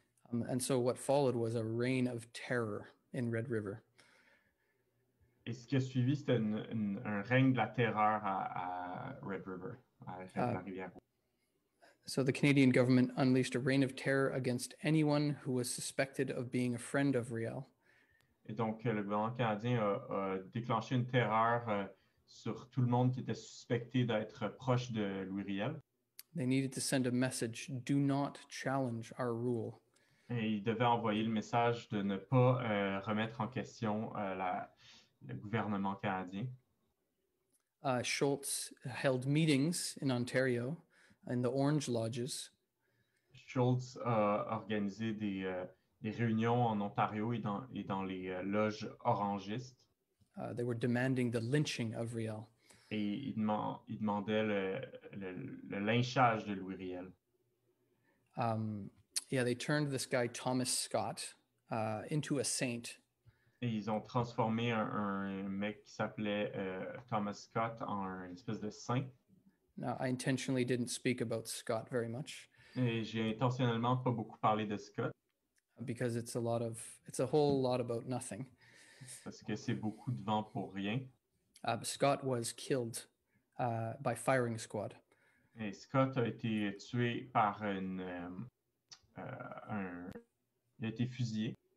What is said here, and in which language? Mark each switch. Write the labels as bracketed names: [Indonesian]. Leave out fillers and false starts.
[English] And so what followed was a reign of terror in Red River. [French] Et ce qui a suivi, c'était un règne de la terreur à Red River, à la rivière. [English] So the Canadian government unleashed a reign of terror against anyone who was suspected of being a friend of Riel. [French] Et donc le gouvernement canadien a déclenché une terreur sur tout le monde qui était suspecté d'être proche de Louis Riel. [English] They needed to send a message, do not challenge our rule. [French] Et ils devaient envoyer le message de ne pas remettre en question le gouvernement canadien. [English] Schultz held meetings in Ontario. And the Orange Lodges. [French] Schultz a organisé des réunions en Ontario et dans les loges orangistes. [English] They were demanding the lynching of Riel. [French] Et ils demandaient le lynchage de Louis Riel. [English] They turned this guy Thomas Scott into a saint. [French] Et ils ont transformé un mec qui s'appelait Thomas Scott en une espèce de saint. [English] Now, I intentionally didn't speak about Scott very much. [French] Et j'ai intentionnellement pas beaucoup parlé de Scott. [English] Because it's a whole lot about nothing. [French] Parce que c'est beaucoup de vent pour rien. [English] Scott was killed by firing squad. [French] Et Scott a été tué par il a été fusillé.